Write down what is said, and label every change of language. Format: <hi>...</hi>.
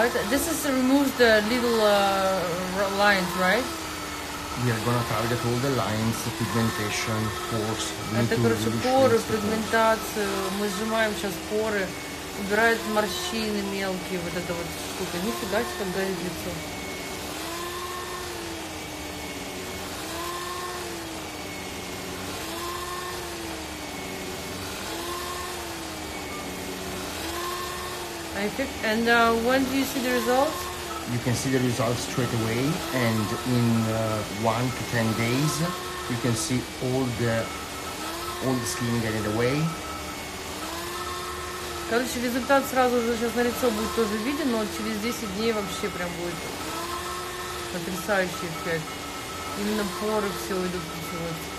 <en>This is to remove the little lines, right? We are gonna target all the lines, the pigmentation, pores.</en> <ru>Это, короче, поры, фрагментацию. Мы сжимаем сейчас поры, убирают морщины мелкие, вот эта вот штука. Нифига себе, как горит лицо.</ru> <en>And when do you see the results? You can see the results straight away, and in 1 to 10 days, you can see all the skin getting away.</en> <ru>Короче, результат сразу же сейчас на лицо будет тоже виден, но через 10 дней вообще прям будет потрясающий эффект. Именно поры все уйдут из вот.</ru>